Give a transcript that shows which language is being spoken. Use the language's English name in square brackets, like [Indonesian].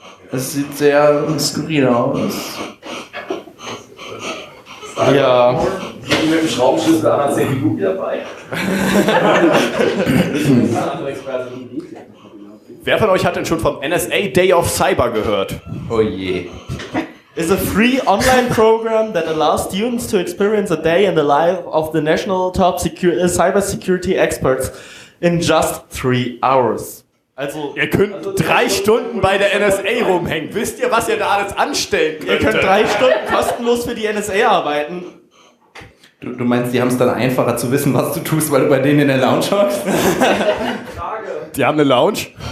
[German] Es sieht sehr skurril aus. Ja. Wie mit dem Schraubenschlüssel an der CPU wieder bei. Ich bin ein anderer Experte in den Medien. Wer von euch hat denn schon vom NSA Day of Cyber gehört? Oh je. [English] It's a free online program that allows students to experience a day in the life of the national top cyber security experts in just 3 hours. [German] Also ihr könnt also 3 Stunden bei der NSA rumhängen. Wisst ihr, was ihr da alles anstellen könnt? Ihr könnt 3 Stunden kostenlos für die NSA arbeiten. Du meinst, die haben es dann einfacher zu wissen, was du tust, weil du bei denen in der Lounge hockst? Die haben eine Lounge?